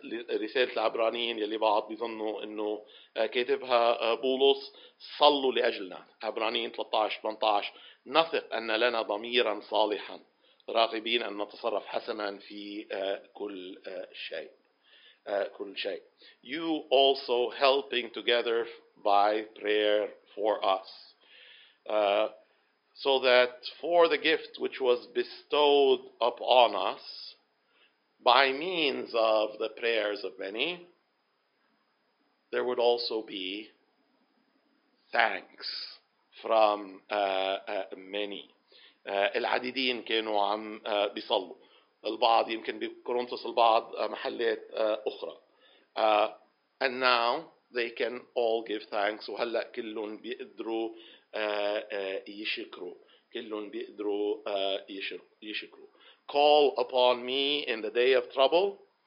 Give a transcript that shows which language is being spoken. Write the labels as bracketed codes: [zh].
[ar] رسالة العبرانيين يلي بعض بيظنوا انه كاتبها بولس صلوا لأجلنا. عبرانيين 13-18 نثق أن لنا ضميرا صالحا راغبين أن نتصرف حسنا في كل شيء. كل شيء. [en] You also helping together by prayer for us. So that for the gift which was bestowed upon us by means of the prayers of many, there would also be thanks from many. [ar] العديدين كانوا عم بيصلوا. البعض يمكن بكورنثوس البعض محلات أخرى. [en] And now they can all give thanks. [ar] وهلا كلهم بيقدروا يشكروا. كلهم بيقدروا يشكروا. [en] Call upon me in the day of trouble.